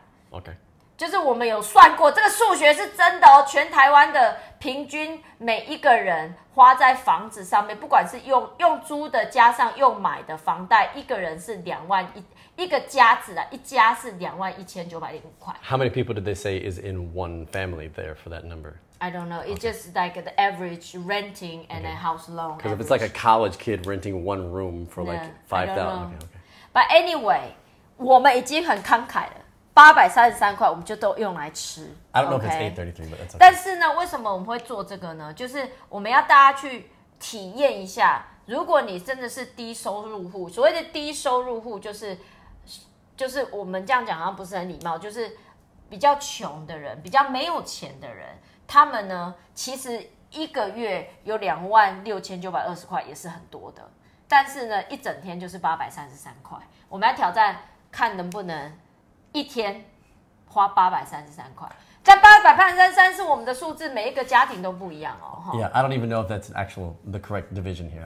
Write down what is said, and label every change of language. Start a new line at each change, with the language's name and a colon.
English: OK。
Chinese: 就是我们有算过，这个数学是真的哦。全台湾的平均每一个人花在房子上面，不管是用租的加上用买的房贷，一个人是一家是21905块。
English: How many people did they say is in one family there for that number? I don't know. It's just like the average renting and a house loan. Because if it's like a college kid renting one room for like $5,000. But anyway,
Chinese: 我们已经很慷慨了。833块我们就都用来吃。
English: I don't know if it's 833, but that's okay.
Chinese: 但是呢，为什么我们会做这个呢？就是我们要大家去体验一下，如果你真的是低收入户，所谓的低收入户就是我们这样讲好像不是很礼貌，就是比较穷的人，比较没有钱的人，他们呢，其实一个月有26920块也是很多的。但是呢，一整天就是833块，我们要挑战看能不能一天花833块，但833是我们的数字，每一个家庭都不一样哦。
English: Yeah, I don't even know if that's actual the correct division here.